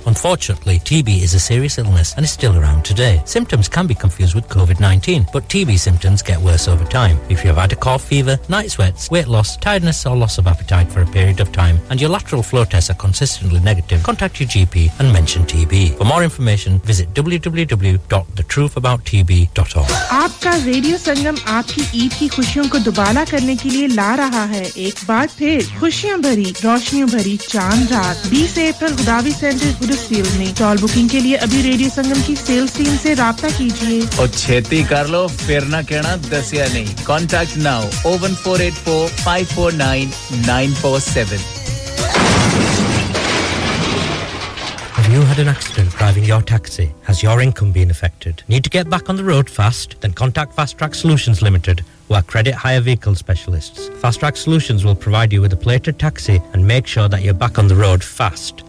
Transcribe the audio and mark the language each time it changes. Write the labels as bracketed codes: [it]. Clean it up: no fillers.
[en] Unfortunately, TB is a serious illness and is still around today. Symptoms can be confused with COVID-19, but TB symptoms get worse over time. If you have had a cough, fever, night sweats, weight loss, tiredness or loss of appetite for a period of time, and your lateral flow tests are consistently negative, contact your GP and mention TB. For more information, visit www.thetruthabouttb.org. [hi] आपका radio संगम आपकी ईद की खुशियों को दुबाला करने के लिए ला रहा है एक बार फिर खुशियां भरी रोशनियों भरी चांद रात 20 अप्रैल गुदावी सेंटर हुडर्सफील्ड में कॉल बुकिंग के लिए अभी रेडियो संगम की सेल्स टीम से राबता कीजिए [pa] और छेती कर लो फिर ना कहना दसिया नहीं [en] contact now [pa] 01484549947 [en] Have you had an accident driving your taxi? Has your income been affected? Need to get back on the road fast? Then contact Fast Track Solutions Limited, who are credit hire vehicle specialists. Fast Track Solutions will provide you with a plated taxi and make sure that you're back on the road fast.